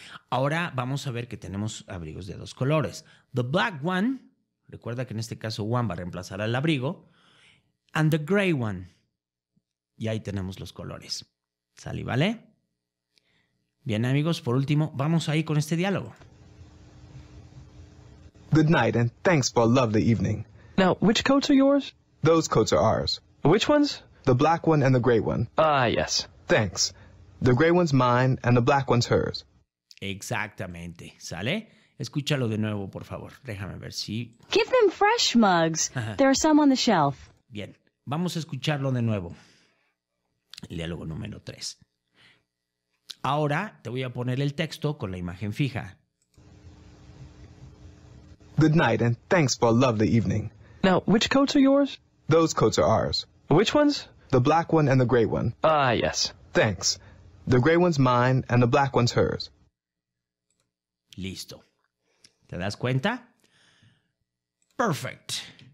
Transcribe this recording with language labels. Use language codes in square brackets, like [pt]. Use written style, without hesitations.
[es] Ahora vamos a ver que tenemos abrigos de dos colores. [en] The black one, [es] recuerda que en este caso one va a reemplazar al abrigo, [en] and the gray one. [es] Y ahí tenemos los colores. ¿Sale, vale? Bien, amigos, por último, vamos ahí con este diálogo. [en] Good night and thanks for a lovely evening. Now, which coats are yours? Those coats are ours. Which ones? The black one and the gray one. Ah, yes. Thanks. The gray one's mine and the black one's hers. [es] Exactamente, ¿sale? Escúchalo de nuevo, por favor. Déjame ver si... [en] Give them fresh mugs. There are some on the shelf. [es] Bien, vamos a escucharlo de nuevo. El diálogo número 3. Ahora te voy a poner el texto con la imagen fija. [en] Good night and thanks for a lovely evening. Now, which coats are yours? Those coats are ours. Which ones? The black one and the gray one. Ah, yes. Thanks. The gray one's mine and the black one's hers. [es] Listo. ¿Te das cuenta? Perfect.